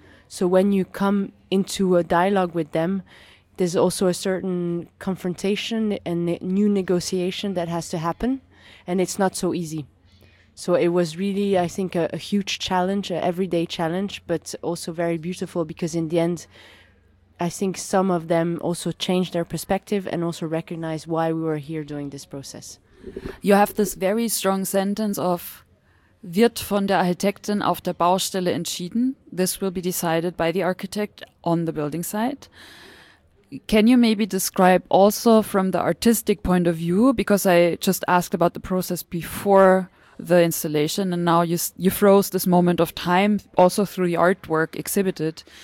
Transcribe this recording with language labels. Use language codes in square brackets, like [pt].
[en] So when you come into a dialogue with them, there's also a certain confrontation and new negotiation that has to happen, and it's not so easy. So it was really, I think, a huge challenge, an everyday challenge, but also very beautiful, because in the end, I think some of them also changed their perspective and also recognized why we were here doing this process. You have this very strong sentence of [de] wird von der Architektin auf der Baustelle entschieden. [en] This will be decided by the architect on the building site. Can you maybe describe also from the artistic point of view, because I just asked about the process before the installation and now you froze this moment of time also through the artwork exhibited.